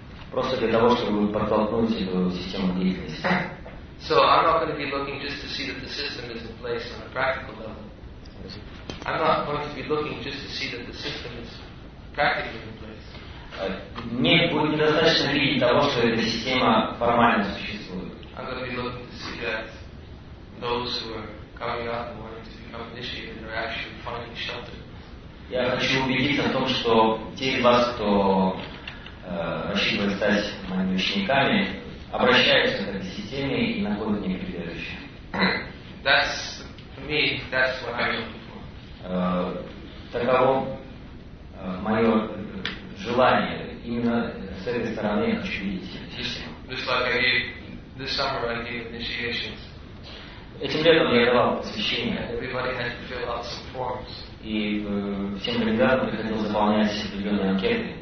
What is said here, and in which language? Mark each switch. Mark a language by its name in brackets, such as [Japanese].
[Russian] Просто для того, чтобы подтолкнуть эту систему деятельности. [English] So I'm not going to be looking just to see that the system is in place on a practical level. I'm not going to be looking just to see that the system is practically in place. [Russian] Мне будет недостаточно видеть того, что эта система формально существует. [English] I'm going to be looking to see that those who are coming out and wanting to become initiated are actually finding shelter. [Russian] Я хочу убедиться в том, что те из вас, кто рассчитывает стать моими учениками, обращаются к этой системе и находят в ней прибежище. [English] That's for me. That's what I'm looking for. [Russian] Таково мое желание. Именно с этой стороны я хочу видеть эту систему. [English] Just like I gave this summer, I gave initiations. [Russian] Этим летом я давал посвящение. [English] Everybody had to fill out some forms. [Russian] И всем ребятам приходилось заполнять определенные анкеты.